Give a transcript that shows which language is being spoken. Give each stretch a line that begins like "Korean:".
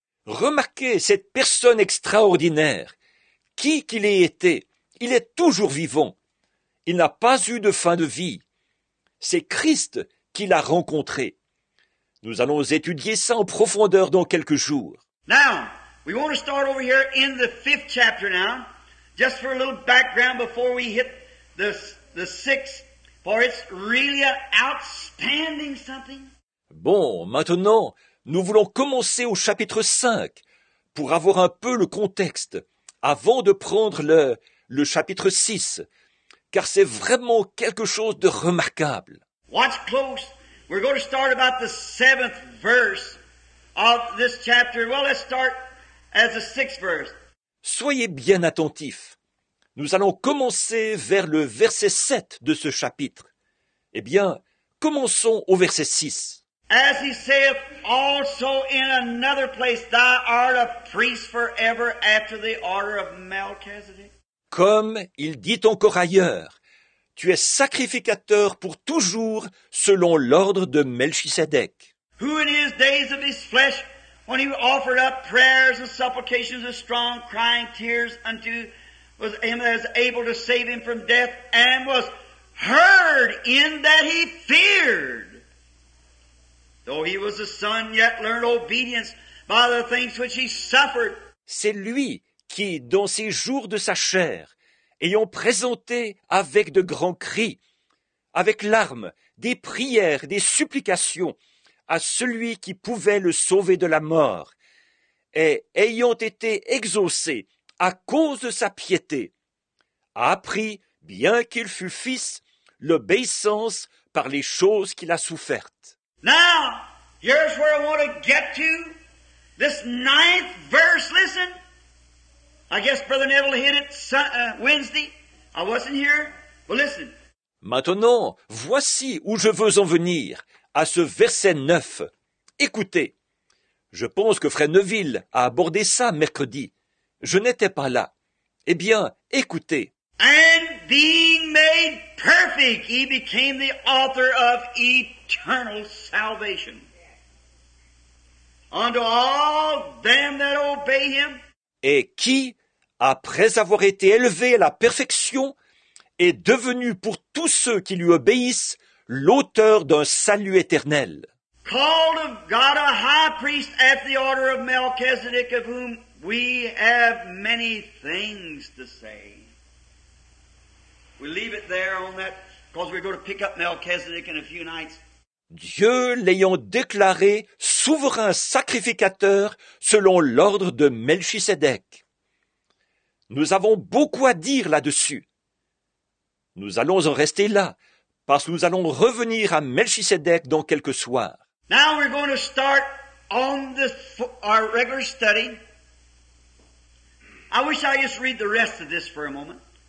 French: Remarquez cette personne extraordinaire. Qui qu'il ait été, il est toujours vivant. Il n'a pas eu de fin de vie. C'est Christ qui l'a rencontré. Nous allons étudier ça en profondeur dans quelques jours.
English: Now, we want to start over here in the fifth chapter now, just for a little background before we hit the sixth, for it's really an outstanding something.
French: Bon, maintenant, nous voulons commencer au chapitre 5 pour avoir un peu le contexte avant de prendre le chapitre 6, car c'est vraiment quelque chose de remarquable.
English: Watch close. We're going to start about the seventh verse of this chapter. Well, let's start as the sixth verse.
French: Soyez bien attentifs. Nous allons commencer vers le verset 7 de ce chapitre. Eh bien, commençons au verset 6.
English: As he saith also in another place, thou art a priest forever after the order of Melchizedek.
French: Comme il dit encore ailleurs, tu es sacrificateur pour toujours selon l'ordre de Melchisedec.
English: Who in his days of his flesh, when he offered up prayers and supplications with strong crying tears unto was him as able to save him from death, and was heard in that he feared. Though he was a son, yet learned obedience by the things which he suffered.
French: C'est lui qui, dans ses jours de sa chair, ayant présenté avec de grands cris, avec larmes, des prières, des supplications à celui qui pouvait le sauver de la mort, et ayant été exaucé à cause de sa piété, a appris, bien qu'il fût fils, l'obéissance par les choses qu'il a souffertes.
English: Now, here's where I want to get to. This ninth verse, listen. I guess Brother Neville hit it Wednesday. I wasn't here. Well, listen.
French: Maintenant, voici où je veux en venir, à ce verset 9. Écoutez, je pense que Frère Neville a abordé ça mercredi. Je n'étais pas là. Eh bien, écoutez.
English: And being made perfect, he became the author of eternal salvation. Unto all them that obey him.
French: Et qui, après avoir été élevé à la perfection, est devenu pour tous ceux qui lui obéissent l'auteur d'un salut éternel.
English: Called of God a high priest at the order of Melchizedek, of whom we have many things to say. We leave it there on that, because we're going to pick up Melchizedek in a few nights.
French: Dieu l'ayant déclaré souverain sacrificateur selon l'ordre de Melchisédek. Nous avons beaucoup à dire là-dessus. Nous allons en rester là, parce que nous allons revenir à Melchisédek dans quelques soirs.
English: Now we're going to start on our regular study. I wish I just read the rest of this for a moment.